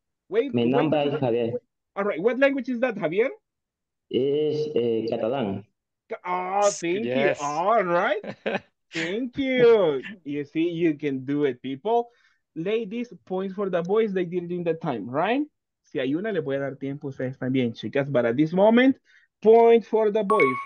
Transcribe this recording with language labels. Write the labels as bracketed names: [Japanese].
[Portuguese] Meu nome é Javier. [English] All right. What language is that, Javier? Is Catalan. Oh, thank you. All right. Thank you. You see, you can do it, people. Ladies, points for the boys, they did it in the time, right? [Spanish] Si hay una, le voy a dar tiempo a ustedes también, chicas. [English] But at this moment, point for the boys.